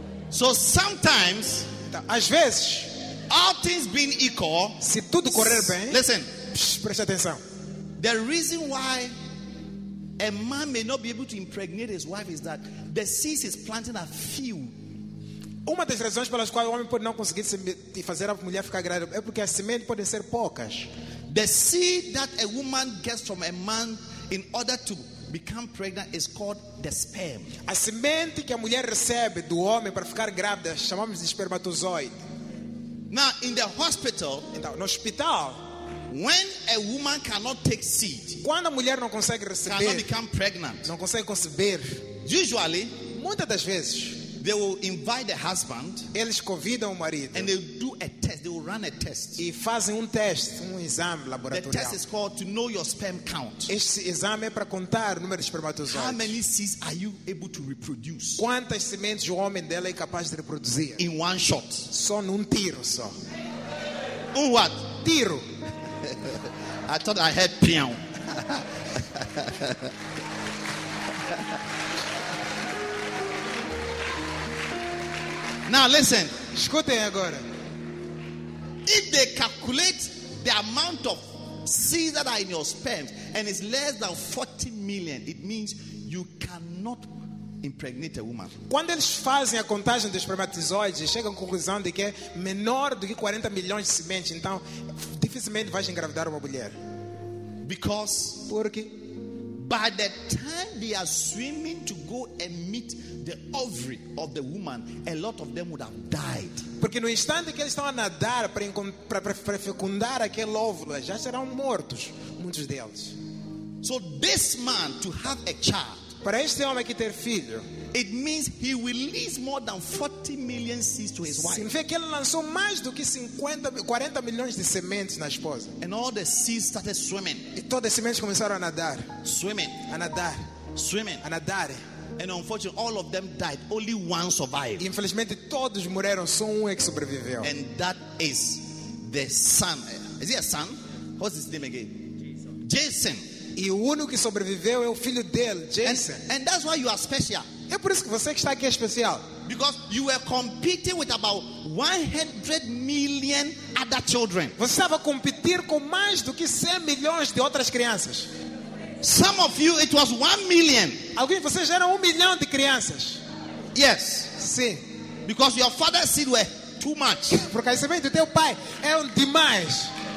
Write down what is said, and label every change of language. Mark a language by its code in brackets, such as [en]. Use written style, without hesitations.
[en] So sometimes, [pt] então, às vezes, [en] all things being equal, [pt] se tudo correr bem, [en] listen, [pt] preste atenção. [en] The reason why a man may not be able to impregnate his wife is that the seed is planting a few. [pt] Uma das razões pelas quais o homem pode não conseguir fazer a mulher ficar grávida é porque as sementes podem ser poucas. [en] The seed that a woman gets from a man in order to become pregnant is called the sperm. [pt] A semente que a mulher recebe do homem para ficar grávida chamamos de espermatozoide. [en] Now in the hospital, [pt] então, no hospital, [en] when a woman cannot take seed, [pt] quando a mulher não consegue receber, [en] cannot become pregnant, [pt] não consegue conceber, [en] usually, [pt] muitas das vezes, [en] they will invite the husband, [pt] eles convidam o marido, [en] and they do a test, they will run a test, [pt] e fazem um teste, um exame laboratorial. [en] The test is called to know your sperm count. [pt] Este exame é para contar o número de espermatozoides. [en] How many seeds are you able to reproduce? [pt] Quantas sementes o homem dela é capaz de reproduzir? [en] In one shot. [pt] Só num tiro só. [en] Um what? [pt] Tiro. [en] I thought I heard piano. Now listen. [pt] Escutem agora. [en] If they calculate the amount of seeds that are in your sperm and it's less than 40 million, it means you cannot impregnate a woman. [pt] Quando eles fazem a contagem dos espermatozoides, chegam à conclusão de que é menor do que 40 milhões de sementes, então dificilmente vais engravidar uma mulher. [en] Because [pt] porque [en] by the time they are swimming to go and meet the ovary of the woman, a lot of them would have died. [pt] Porque no instante que eles estão a nadar para fecundar aquele óvulo, já serão mortos muitos deles. [en] So this man to have a child, [pt] para este homem aqui ter filho, [en] it means he released more than 40 million seeds to his wife. [pt] Significa que ele lançou mais do que 40 milhões de sementes na esposa. [en] And all the seeds started swimming. [pt] E todas as sementes começaram a nadar. [en] Swimming. [pt] A nadar. [en] Swimming. [pt] A nadar. [en] And unfortunately, all of them died. Only one survived. [pt] E infelizmente todos morreram, só um é que sobreviveu. [en] And that is the son. Is he a son? What's his name again? Jason. [pt] E o único que sobreviveu é o filho dele, Jason. [en] And that's why you are special. [pt] É por isso que você que está aqui é especial. [en] Because you were competing with about 100 million other children. [pt] Você estava a competir com mais do que 100 milhões de outras crianças. [en] Some of you it was 1 million. [pt] Alguns de vocês eram 1 milhão de crianças. [en] Yes. [pt] Sim. [en] Because your father's seed were too much. [pt] Porque a semente do teu pai era demais.